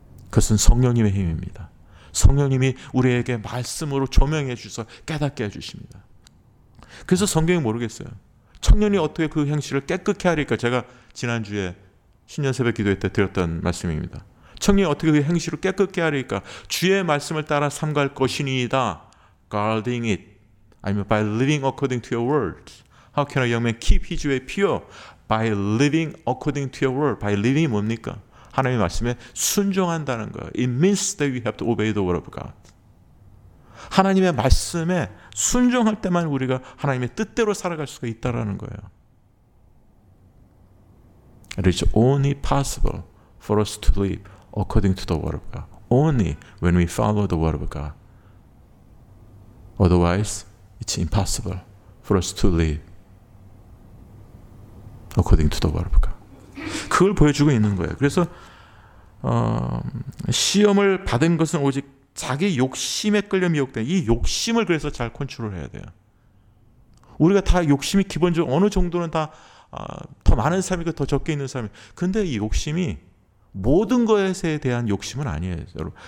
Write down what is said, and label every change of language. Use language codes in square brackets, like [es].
[ko] 그것은 성령님의 힘입니다. 성령님이 우리에게 말씀으로 조명해 주셔서 깨닫게 해주십니다. 그래서 성경이 모르겠어요. 청년이 어떻게 그 행실을 깨끗해 하리까 제가 지난주에 신년 새벽 기도회 때 드렸던 말씀입니다. 청년이 어떻게 그 행실을 깨끗해 하리까 주의 말씀을 따라 삼갈 것이니이다. [en] Guarding it. I mean by living according to your word. How can a young man keep his way pure? By living according to your word. By living이 [ko] 뭡니까? 하나님의 말씀에 순종한다는 거예요. [en] It means that we have to obey the word of God. [ko] 하나님의 말씀에 순종할 때만 우리가 하나님의 뜻대로 살아갈 수가 있다라는 거예요. [en] It is only possible for us to live according to the word of God. Only when we follow the word of God. Otherwise, it's impossible for us to live according to the word of God. [ko] 그걸 보여주고 있는 거예요. 그래서 시험을 받은 것은 오직 자기 욕심에 끌려 미혹돼. 이 욕심을 그래서 잘 컨트롤해야 돼요. 우리가 다 욕심이 기본적으로 어느 정도는 다 더 많은 사람이고 더 적게 있는 사람이. 근데 이 욕심이 모든 것에 대한 욕심은 아니에요, 여러분.